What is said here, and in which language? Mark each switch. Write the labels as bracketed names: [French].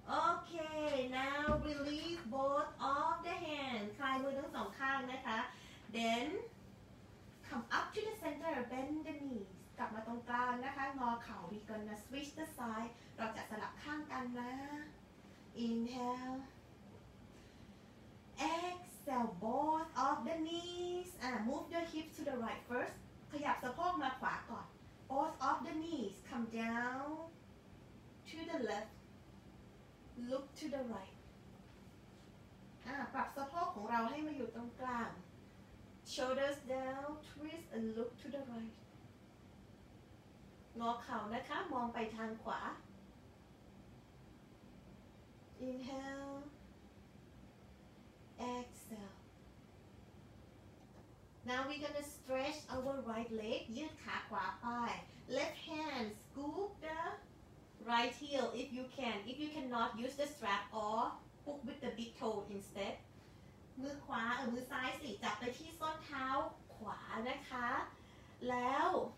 [English] okay now release both of the hands [Thai] คลายมือทั้งสองข้างนะคะ [English] then come up to the center bend the knees [Thai] กลับมาตรงกลางนะคะงอเข่า [English] we gonna switch the side [Thai] เราจะสลับข้างกันนะ [English] inhale exhale both of the kneesMove your hips to the right first. [Thai] ขยับสะโพกมาขวาก่อน. [English] Both of the knees come down to the left. Look to the right. [Thai] ปรับสะโพกของเราให้มาอยู่ตรงกลาง. [English] Shoulders down, twist and look to the right. [Thai] งอเข่านะคะ มองไปทางขวา. [English] Inhale. Exhale. Now we're gonna stretch our right leg [Thai] ยืดขาขวาไป [English] left hand scoop the right heel if you can if you cannot use the strap or hook with the big toe instead [Thai] มือขวาหรือซ้ายสิจับไปที่ส้นเท้าขวานะคะแล้ว